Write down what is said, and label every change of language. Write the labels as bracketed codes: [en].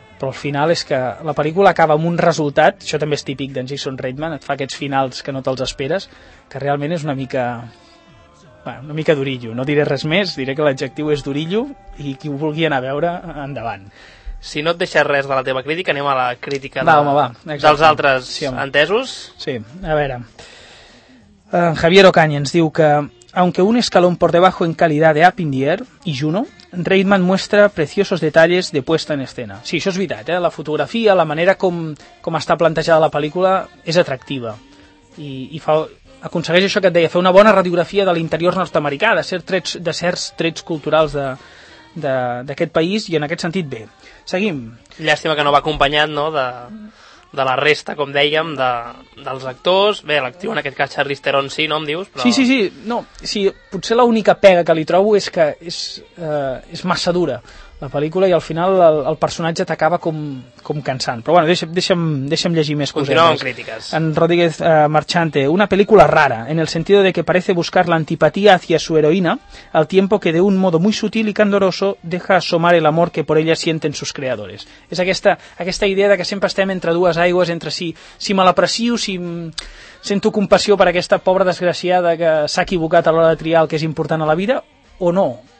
[ca] Però al final és que la pel·lícula acaba amb un resultat, això també és típic d'en Jason Reitman, et fa aquests finals que no te'ls esperes, que realment és una mica, bueno, una mica durillo. No diré res més, diré que l'adjectiu és durillo, i qui ho vulgui anar a veure, endavant. Si no et deixes res de la teva crítica, anem a la crítica dels altres. Sí, entesos. Sí, a veure, en Javier Ocaña ens diu que [es] aunque un escalón por debajo en calidad de Up in the Air y Juno, Reitman muestra preciosos detalles de puesta en escena. [ca] Sí, això és veritat, eh? La fotografia, la manera com està plantejada la pel·lícula és atractiva. I fa, aconsegueix això que et deia, fer una bona radiografia de l'interior nord-americà, de certs trets culturals d'aquest país, i en aquest sentit bé. Seguim. Llàstima que no va acompanyat, no?, de la resta, com dèiem, dels actors. Bé, l'actriu en aquest cas, Charlize Theron, sí, no em dius? Però... Sí, no, sí, potser l'única pega que li trobo és que és massa dura la pel·lícula, i al final el personatge t'acaba com cansant. Però bueno, deixa'm llegir més coses. Continuem amb crítiques. [es] En Rodríguez Marchante, una pel·lícula rara, en el sentido de que parece buscar la antipatía hacia su heroína al tiempo que de un modo muy sutil y candoroso deja asomar el amor que por ella sienten sus creadores. [ca] És aquesta idea de que sempre estem entre dues aigües, entre si me l'aprecio, si sento compassió per aquesta pobra desgraciada que s'ha equivocat a l'hora de triar el que és important a la vida, o no.